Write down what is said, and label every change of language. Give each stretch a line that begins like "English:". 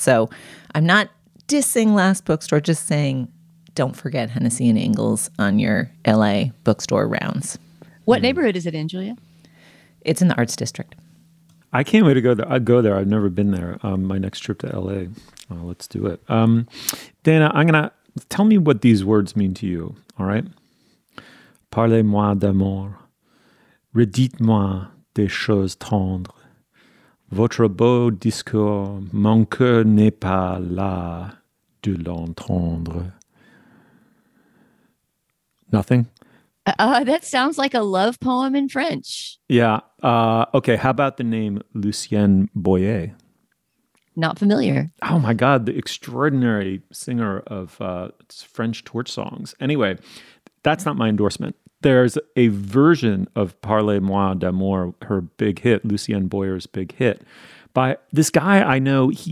English: So I'm not dissing last bookstore, just saying don't forget Hennessy and Ingalls on your LA bookstore rounds. What neighborhood is it in, Julia? It's in the Arts District. I can't wait to go there. I'd go there. I've never been there. My next trip to LA. Well, let's do it. Dana, I'm going to tell me what these words mean to you. All right.
French: Parlez-moi d'amour. Redites-moi des choses tendres. Votre beau discours, mon cœur n'est pas là de l'entendre.
English: Nothing? That sounds like a love poem in French. Yeah. Okay, how about the name Lucien Boyer? Not familiar. Oh my God, the extraordinary singer of French torch songs. Anyway, that's not my endorsement. There's a version of Parlez-moi d'amour, her big hit, Lucien Boyer's big hit, by this guy I know.